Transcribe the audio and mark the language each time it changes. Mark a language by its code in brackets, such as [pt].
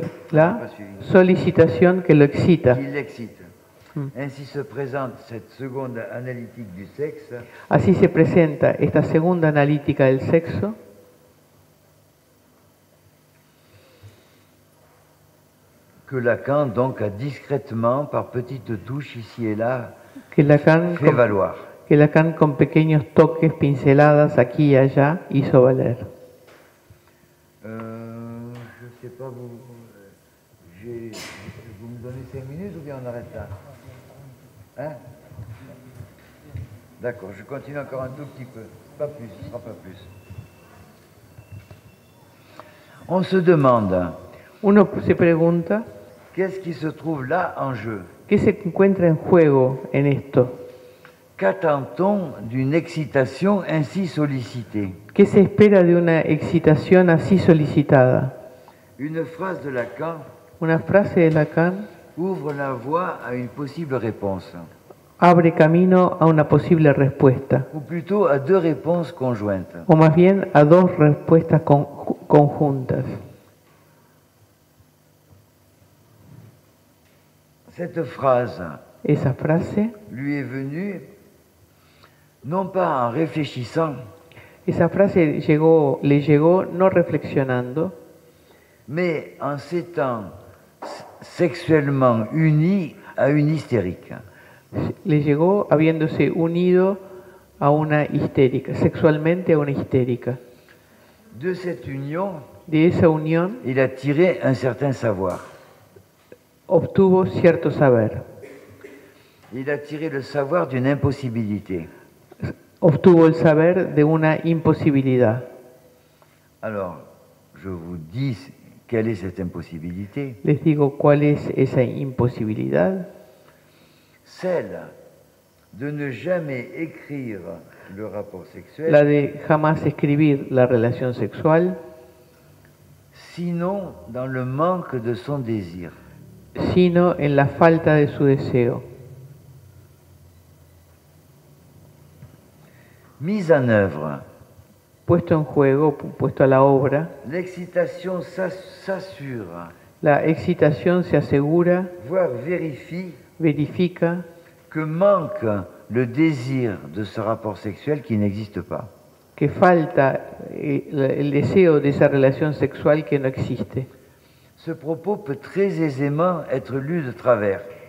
[es] La sollicitación que lo excita. [fr] Qui l'excite. Ainsi se présente cette seconde analytique du sexe. [es] Así se presenta esta segunda analítica del sexo. [fr] que Lacan donc a discrètement par petites touches ici et là que Lacan fait valoir. [es] Que Lacan con pequeños toques, pinceladas aquí y allá hizo valer. [fr] Je sais pas vous vous me donnez 5 minutes ou bien on arrête là. Hein? D'accord, je continue encore un tout petit peu, pas plus, ce sera pas plus. On se demande. [es] Uno se pregunta. [fr] Qu'est-ce qui se trouve là en jeu? [es] ¿Qué se encuentra en juego en esto? [fr] Qu'attend-on d'une excitation ainsi sollicitée? [es] ¿Qué se espera de una excitación así solicitada? [fr] Une phrase de Lacan. [es] Una frase de Lacan. [fr] Ouvre la voie à une possible réponse. [es] Abre camino a una posible respuesta. [fr] Ou plutôt à deux réponses conjointes. [es] O más bien a dos respuestas conjuntas. [fr] Cette phrase, [es] esa frase [fr] lui est venue non pas en réfléchissant, [es] esa frase llegó, le llegó no reflexionando, [fr] mais en s'étant sexuellement uni à une hystérique. [es] Le llegó habiéndose unido a una histérica, sexualmente a una histérica. [fr] De cette union, [es] de esa unión, [fr] il a tiré un certain savoir. [es] Obtuvo cierto saber. [fr] Il a tiré le savoir d'une impossibilité. [es] Obtuvo el saber de una imposibilidad. [fr] Alors, je vous dis quelle est cette impossibilité. [es] Les digo cuál es esa imposibilidad. [fr] Celle de ne jamais écrire le rapport sexuel. [es] La de jamás escribir la relación sexual. [fr] Sinon dans le manque de son désir. [es] Sino en la falta de su deseo. [fr] Mise en œuvre. [es] Puesto en juego, puesto a la obra. [fr] L'excitation s'assure. [es] La excitación se asegura. [fr] Voire vérifie. [es] Verifica. [fr] Que manque le désir de ce rapport sexuel qui n'existe pas. [es] Que falta el deseo de esa relación sexual que no existe. [fr] Ce propos peut très aisément être lu de travers.